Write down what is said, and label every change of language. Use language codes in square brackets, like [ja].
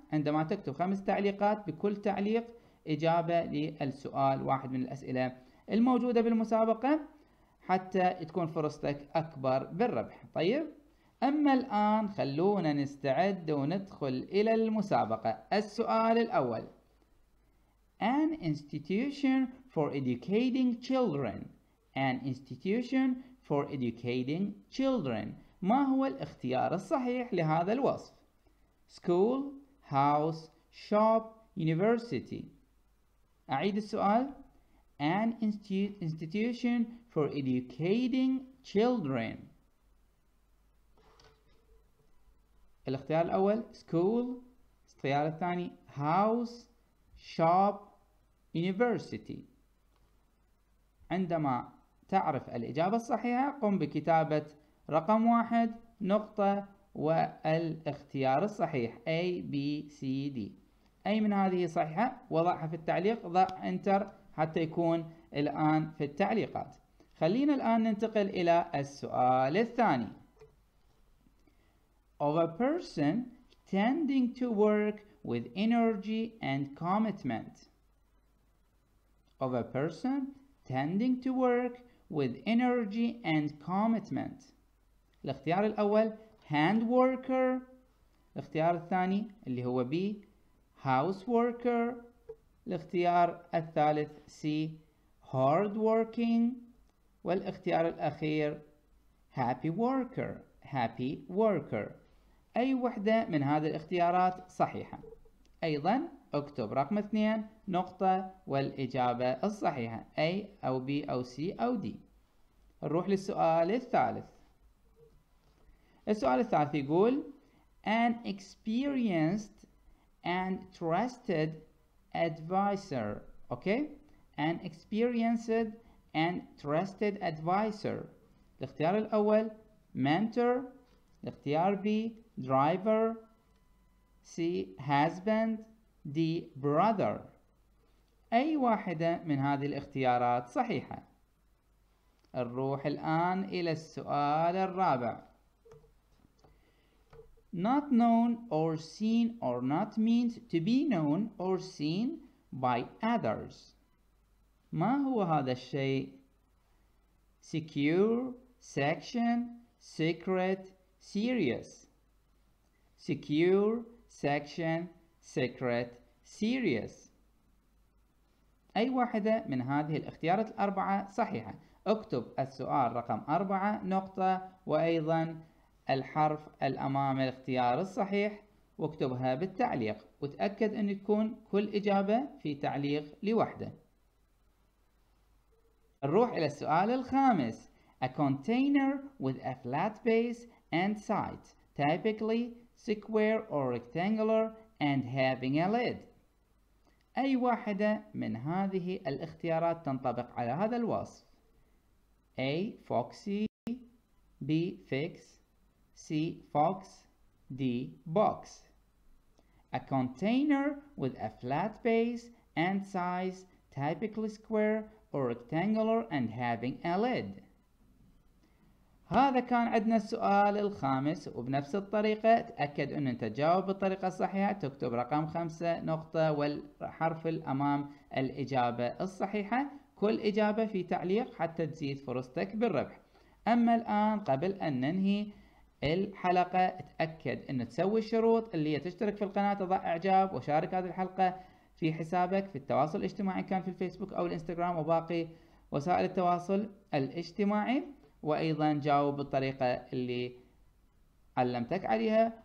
[ar] عندما تكتب 5 تعليقات بكل تعليق إجابة للسؤال واحد من الأسئلة الموجودة بالمسابقة حتى تكون فرصتك أكبر بالربح. طيب، أما الآن خلونا نستعد وندخل إلى المسابقة. السؤال الأول: [en] An institution for educating children. An institution for educating children. [ar] ما هو الاختيار الصحيح لهذا الوصف؟ [en] School, house, shop, university. [ar] أعيد السؤال: [en] An institution for educating children. [ar] الاختيار الأول school، الاختيار الثاني house، shop، university. عندما تعرف الإجابة الصحيحة قم بكتابة رقم 1 نقطة والاختيار الصحيح A B C D. أي من هذه صحيحة وضعها في التعليق، ضع انتر حتى يكون الآن في التعليقات. خلينا الآن ننتقل إلى السؤال الثاني. [en] Of a person tending to work with energy and commitment. Of a person tending to work with energy and commitment. [ar] الاختيار الأول [en] hand worker. [ar] الاختيار الثاني اللي هو [en] B house worker. [ar] الاختيار الثالث [en] C hard working. [ar] والاختيار الأخير happy worker. [en] happy worker. [ar] أي وحدة من هذه الاختيارات صحيحة؟ أيضا اكتب رقم 2 نقطة والإجابة الصحيحة A أو B أو C أو D. نروح للسؤال الثالث. السؤال الثالث يقول [en] An experienced and trusted advisor. Okay? An experienced and trusted advisor. [ar] الاختيار الأول mentor. الاختيار B driver. [en] C husband. D brother. [ar] أي واحدة من هذه الاختيارات صحيحة؟ نروح الآن إلى السؤال الرابع. [en] Not known or seen or not means to be known or seen by others. [ar] ما هو هذا الشيء؟ [en] Secure, section, secret, serious. Secure, section, secret, serious. [ar] أي واحدة من هذه الاختيارات الأربعة صحيحة؟ اكتب السؤال رقم 4 نقطة وأيضا الحرف الأمام الاختيار الصحيح واكتبها بالتعليق، وتأكد أن تكون كل إجابة في تعليق لوحدة. نروح إلى السؤال الخامس. [en] A container with a flat base and side, typically square or rectangular and having a lid. [ar] أي واحدة من هذه الاختيارات تنطبق على هذا الوصف؟ A. [en] Foxy. B. Fix. C. Fox. D. Box. A container with a flat base and size, typically square or rectangular and having a lid. [ar] هذا كان عندنا السؤال الخامس، وبنفس الطريقة تأكد أن أنت تجاوب بالطريقة الصحيحة. تكتب رقم 5 نقطة والحرف الأمام الإجابة الصحيحة، كل إجابة في تعليق حتى تزيد فرصتك بالربح. أما الآن قبل أن ننهي الحلقة، تأكد أن تسوي الشروط اللي هي تشترك في القناة، تضع إعجاب وشارك هذه الحلقة في حسابك في التواصل الاجتماعي، كان في الفيسبوك أو الإنستغرام وباقي وسائل التواصل الاجتماعي، وأيضا جاوب بالطريقة اللي علمتك عليها.